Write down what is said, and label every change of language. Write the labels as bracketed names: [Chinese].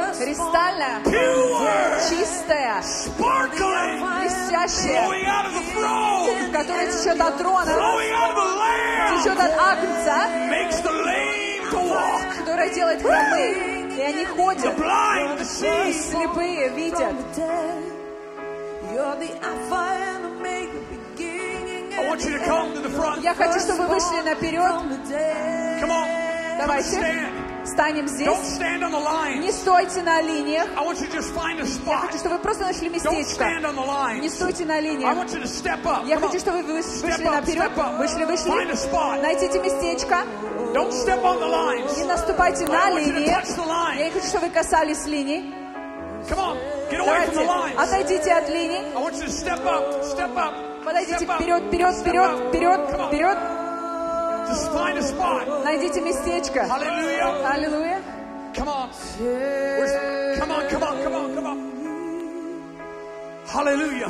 [Russian] Кристальная. [English] Pure. [Russian] Чистая. [English] Sparkling. [Russian] Блестящая. [English] Flowing out of the throne. [Russian] Которая течет от трона. [English] Flowing out of the lamb. [Russian] Течет от Агнца. [English] Makes the lame to walk. [Russian] Которая делает хромые, и они ходят. [English] The blind, the see. [Russian] Слепые видят. [English] I want you to come to the front. [Russian] Я хочу, чтобы вы вышли наперед. [English] Come on. [Russian] Давайте. Станем здесь. [English] Don't stand on the line. [Russian] Не стойте на линиях. [English] I want you to just find a spot. [Russian] Я хочу, чтобы вы просто нашли местечко. [English] Don't stand on the line. [Russian] Не стойте на линиях. [English] I want you to step up. [Russian] Я хочу, чтобы вы вышли наперед. Вышли, вышли. [English] Find a spot. [Russian] Найдите местечко. [English] Don't step on the lines. [Russian] Не наступайте на линии. [English] I want you to touch the line. [Russian] Я не хочу, чтобы вы касались линий. [English] Come on. Get away [Russian] Давайте, [English] from the lines. [Russian] Отойдите от линии. [English] I want you to step up, step up. [Russian] Подойдите вперед, вперед, вперед, вперед, вперед. [English] Just find a spot. [Russian] Найдите местечко. [English] Hallelujah. Hallelujah. Come on. Where's... Come on, come on, come on, come on. Hallelujah.